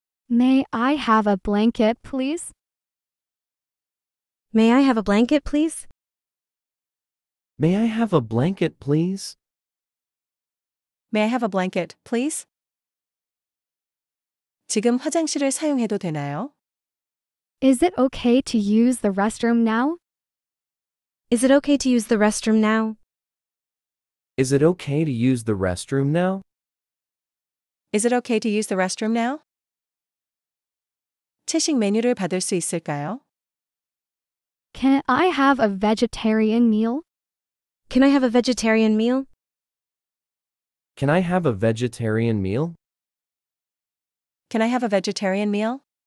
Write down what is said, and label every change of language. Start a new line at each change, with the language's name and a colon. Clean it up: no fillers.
English: May I have a blanket, please? May I have a blanket, please? May I have a blanket, please? May I have a blanket, please?
Korean: 지금 화장실을 사용해도 되나요?
English: Is it okay to use the restroom now? Is it okay to use the restroom now? Is it okay to use the restroom now? Is it okay to use the restroom now?
Korean: 채식 메뉴를 받을 수 있을까요?
English: Can I have a vegetarian meal? Can I have a vegetarian meal? Can I have a vegetarian meal? Can I have a vegetarian meal?